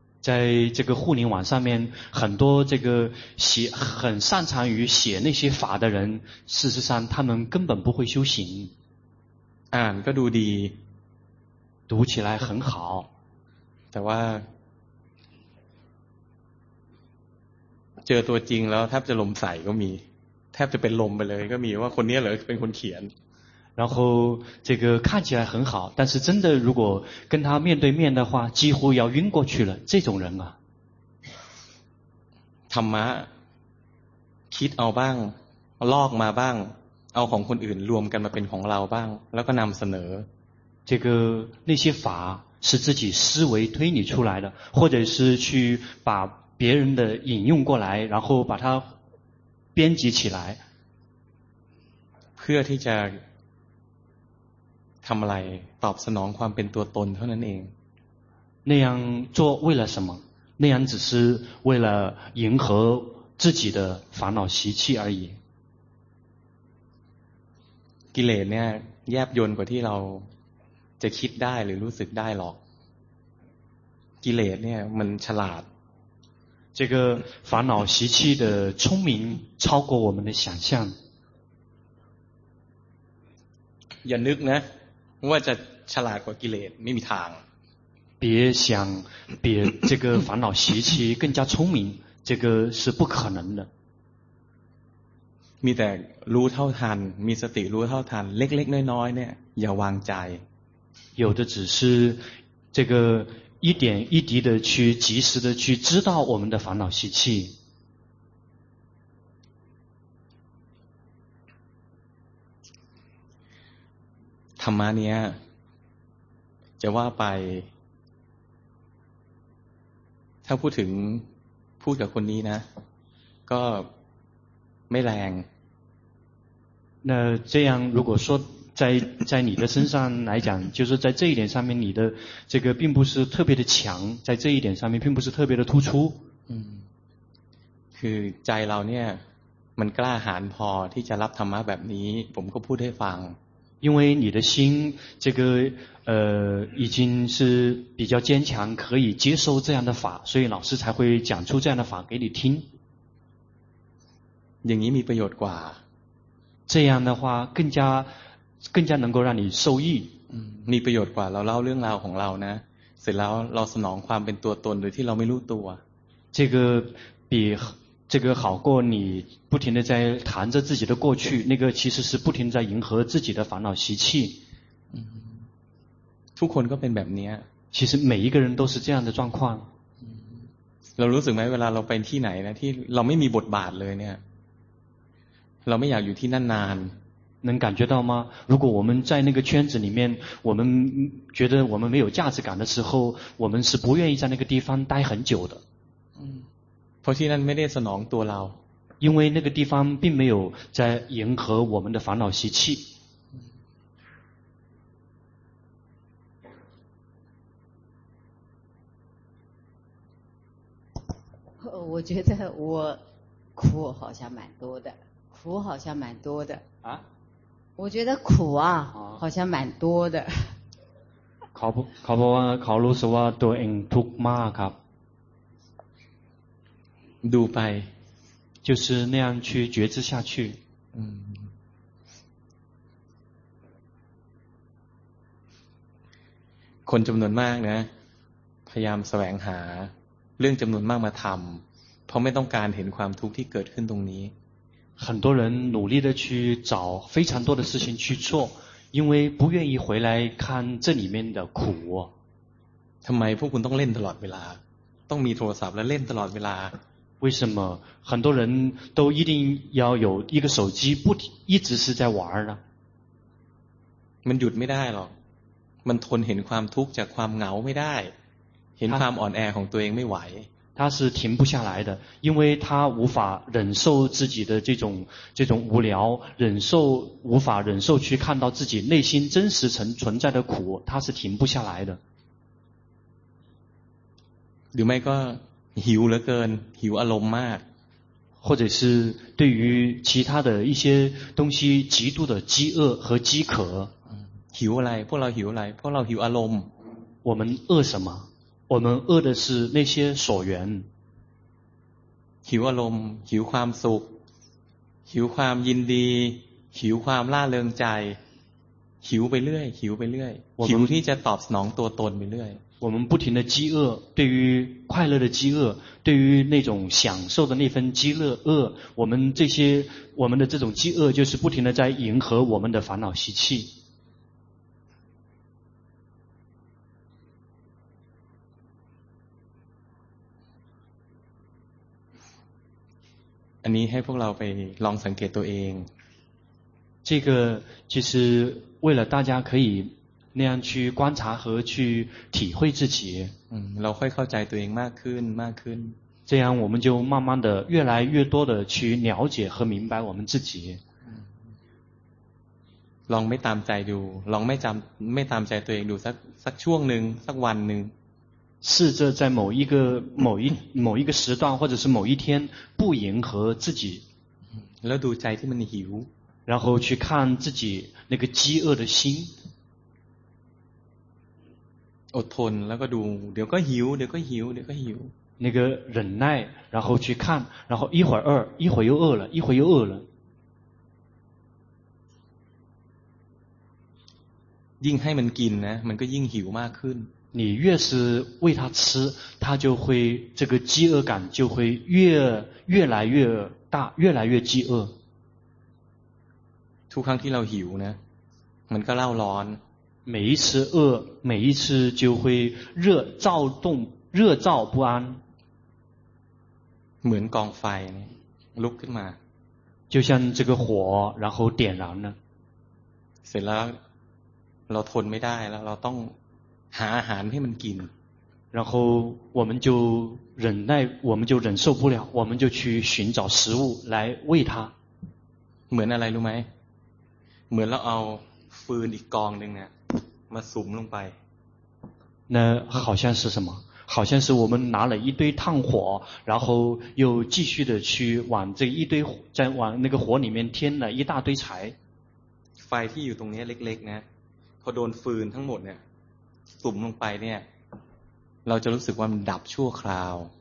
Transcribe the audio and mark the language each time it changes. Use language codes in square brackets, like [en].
[zh] 在这个互联网上面很多这个写很擅长于写那些法的人事实上他们根本不会修行 [th] อ่านก็ดูดี [zh] 读起来很好 [th] แต่ว่าเจอตัวจริงแล้วแทบจะลมใส่ก็มีแทบจะเป็นลมไปเลยก็มีว่าคนนี้เหรอเป็นคนเขียน [zh] 然后这个看起来很好但是真的如果跟他面对面的话几乎要晕过去了这种人啊 [th] ธรรมะคิดเอาบ้างลอกมาบ้างเอาของคนอื่นรวมกันมาเป็นของเราบ้างแล้วก็นำเสน [zh] อ这个那些法是自己思维推理出来的或者是去把别人的引用过来然后把它编辑起来 [th] เพื่อที่จะทำอะไรตอบสนองความเป็นตัวตนเท่านั้นเอง [zh] 那样做为了什么那样只是为了迎合自己的烦恼习气而已 [th] กิเลสเนี่ยแยบยลกว่าที่เราจะคิดได้หรือรู้สึกได้หรอกกิเลสเนี่ยมันฉลาด [zh] 这个烦恼习气的聪明超过我们的想象 [th] อย่านึกนะว่าจะฉลาดกว่ากิเลสไม่มีทาง [zh] 别想比这个烦恼习气更加聪明这个是不可能的 [th] มีแต่รู้เท่าทันมีสติรู้เท่าทันเล็กๆน้อยๆเนี่ยอย่าวางใจ [zh] 有的只是这个一点一滴的去及时的去知道我们的烦恼习气 [th] ธรรมะเนี้ยจะว่าไปถ้าพูดถึงพูดกับคนนี้นะก็ไม่แรง [zh] 那这样如果说在你的身上来讲就是在这一点上面你的这个并不是特别的强在这一点上面并不是特别的突出 [th] คือใจเราเนี่ยมันกล้าหาญพอที่จะรับธรรมะแบบนี้ผมก็พูดให้ฟัง [zh] 因为你的心这个已经是比较坚强可以接受这样的法所以老师才会讲出这样的法给你听 [th] อย่างนี้มีประโยชน์กว่า [zh] 这样的话更加能够让你受益 [th] มีประโยชน์กว่าเราเล่าเรื่องราวของเรานะเสร็จแล้วเราสนองความเป็นตัวตนโดยที่เราไม่รู้ตัว [zh] 这个比这个好过你不停的在谈着自己的过去那个其实是不停在迎合自己的烦恼习气 [th] ทุกคนก็เป็นแบบนี้ [zh] 其实每一个人都是这样的状况 [th] เรารู้สึกไหมเวลาเราไปที่ไหนนะที่เราไม่มีบทบาทเลยเนี่ยเราไม่อยากอยู่ที่นั่นนาน [zh] 能感觉到吗如果我们在那个圈子里面我们觉得我们没有价值感的时候我们是不愿意在那个地方待很久的 [th] เพราะที่นั่นไม่ได้สนองตัวเรา [zh] 因为那个地方并没有在迎合我们的烦恼习气我觉得我苦好像蛮多的苦好像蛮多的啊我觉得苦啊好像蛮多的考路是我都应图马卡读白就是那样去觉知下去 [th] 嗯คนจำนวนมากนะพยายามแสวงหาเรื่องจำนวนมากมาทำเพราะไม่ต้องการเห็นความทุกข์ที่เกิดขึ้นตรงนี้ [zh] 很多人努力的去找非常多的事情去做因为不愿意回来看这里面的苦 [th] ทำไมพวกคุณต้องเล่นตลอดเวลาต้องมีโทรศัพท์และเล่นตลอดเวลา [zh] 为什么很多人都一定要有一个手机不一直是在玩呢 [th] มันหยุดไม่ได้หรอกมันทนเห็นความทุกข์จากความเหงาไม่ได้เห็นความอ่อนแอของตัวเองไม่ไหว [zh] 他是停不下来的因为他无法忍受自己的这种无聊无法忍受去看到自己内心真实存在的苦他是停不下来的 [th] หรือไม่ก็หิวเหลือเกินหิวอารมณ์มาก [zh] 或者是对于其他的一些东西极度的饥饿和饥渴 [th] หิวอะไรพวกเราหิวอะไรพวกเราหิวอารมณ์ [zh] 我们饿什么我们饿的是那些所缘 [th] หิวอารมณ์หิวความสุขหิวความยินดีหิวความล่าเริงใจหิวไปเรื่อยหิวไปเรื่อยหิวที่จะตอบสนองตัวตนไปเรื่อย [zh] 我们不停的饥饿对于快乐的饥饿对于那种享受的那份饥乐饿我们的这种饥饿就是不停的在迎合我们的烦恼习气 [th] อันนี้ให้พวกเราไปลองสังเกตตัวเอง [zh] 这个其实为了大家可以那样去观察和去体会自己 [th] เราค่อยเข้าใจตัวเองมากขึ้น [zh] 这样我们就慢慢的越来越多的去了解和明白我们自己 [th] ลองไม่ตามใจดูลองไม่ตามใจตัวเองดูสักช่วงหนึ่งสักวันหนึ่ง [zh] 试着在某一个时段或者是某一天不迎合自己 [th] แล้วดูใจที่มันหิว [zh] 然后去看自己那个饥饿的心 [th] อดทนแล้วก็ดูเดี๋ยวก็หิวเดี๋ยวก็หิวเดี๋ยวก็หิว [zh] 那个忍耐然后去看然后一会儿又饿了一会儿又饿了 [th] ยิ่งให้มันกินนะมันก็ยิ่งหิวมากขึ้น [zh] 你越是喂他吃他就会这个饥饿感就会越来越大越来越饥饿 [th] ทุกครั้งที่เราหิวนะมันก็เล่าร้อน [zh] 每一次饿每一次就会热燥不安 [th] เหมือนกองไฟลุกขึ้นมา [zh] 就像这个火然后点燃了 [th] เสร็จแล้วเราทนไม่ได้แล้วเราต้องหาอาหารให้มันกิน [zh] 然后我们就忍耐我们就忍受不了我们就去寻找食物来喂它 [th] เหมือนอะไรรู้ไหมเหมือนเราเอาฟืนอีกกองนึงเนี่ยมาสุมลงไป [zh] 那好像是什么好像是我们拿了一堆炭火然后又继续的去往这一堆在往那个火里面添了一大堆柴 [th] ไฟที่อยู่ตรงนี้เล็กๆนะพอโดนฟืนทั้งหมดเนี่ยสุ่มลงไปเนี่ยเราจะรู้สึกว่ามันดับชั่วคราว